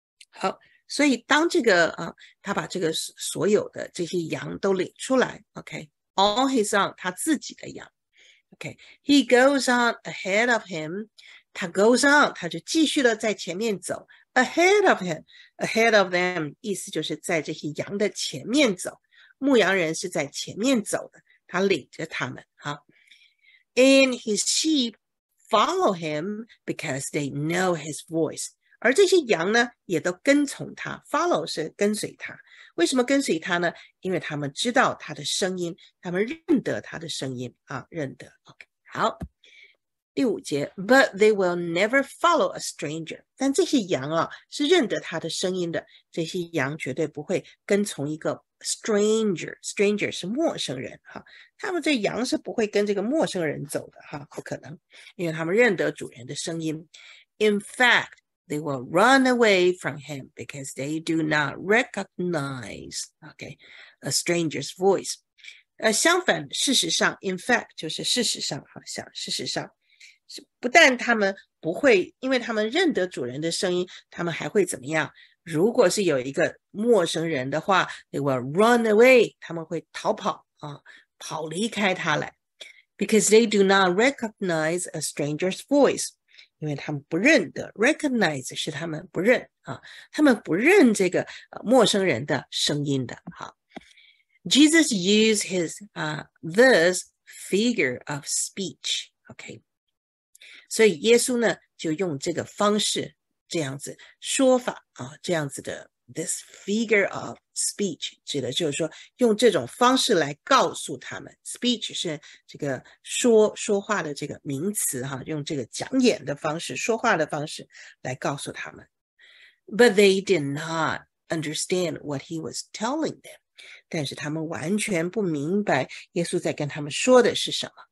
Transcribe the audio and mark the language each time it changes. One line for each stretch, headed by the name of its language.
Chinese: 好，所以当这个啊，他把这个所有的这些羊都领出来，OK，
English: all his own，
Chinese: 他自己的羊，OK，
English: he goes on ahead of him，
Chinese: 他
English: goes on，
Chinese: 他就继续的在前面走。
English: Ahead of him, ahead of them，
Chinese: 意思就是在这些羊的前面走。牧羊人是在前面走的，他领着他们。
English: 哈，And his sheep follow him because they know his voice。
Chinese: 而这些羊呢，也都跟从他。 Follow 是跟随他。为什么跟随他呢？因为他们知道他的声音，他们认得他的声音啊，认得。
English: OK，
Chinese: 好。第五节，
English: But they will never follow a stranger。
Chinese: 但这些羊啊，是认得他的声音的。这些羊绝对不会跟从一个 stranger，stranger 是陌生人哈。他们这羊是不会跟这个陌生人走的哈，不可能，因为他们认得主人的声音。
English: In fact, they will run away from him because they do not recognize, okay, a stranger's voice。
Chinese: 相反，事实上，in fact 就是事实上哈，像事实上。不但他们不会，因为他们认得主人的声音，他们还会怎么样？如果是有一个陌生人的话，
English: they will run away，
Chinese: 他们会逃跑啊，跑离开他来。
English: Because they do not recognize a stranger's voice，
Chinese: 因为他们不认得，recognize 是他们不认啊，他们不认这个陌生人的声音的。
English: 好，Jesus used his this figure of speech，OK。
Chinese: 所以耶稣呢，就用这个方式，这样子说法啊，这样子的
English: this figure of speech
Chinese: 指的就是说，用这种方式来告诉他们，speech 是这个说话的这个名词哈，用这个讲演的方式、说话的方式来告诉他们。
English: But they did not understand what he was telling them。
Chinese: 但是他们完全不明白耶稣在跟他们说的是什么。